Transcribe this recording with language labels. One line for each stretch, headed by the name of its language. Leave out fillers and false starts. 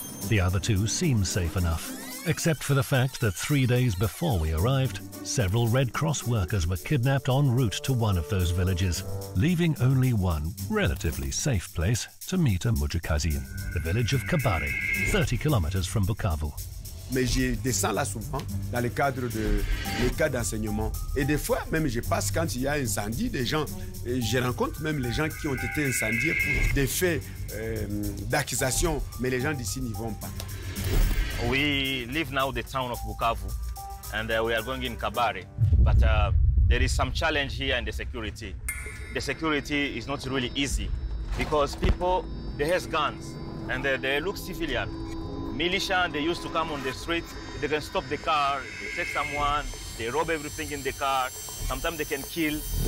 English: The other two seem safe enough, except for the fact that 3 days before we arrived, several Red Cross workers were kidnapped en route to one of those villages, leaving only one relatively safe place to meet a Mujakazi, the village of Kabare, 30 kilometers from Bukavu.
French: Mais je descends là souvent dans le cadre de les cas d'enseignement. Et des fois, même je passe quand il y a incendie, des gens, je rencontre même les gens qui ont été incendiés pour des faits d'accusation, mais les gens d'ici n'y vont pas.
English: We live now the town of Bukavu, and we are going in Kabare. But there is some challenge here in the security. The security is not really easy because people, they have guns and they look civilian. Militia, they used to come on the street, they can stop the car, they take someone, they rob everything in the car, sometimes they can kill.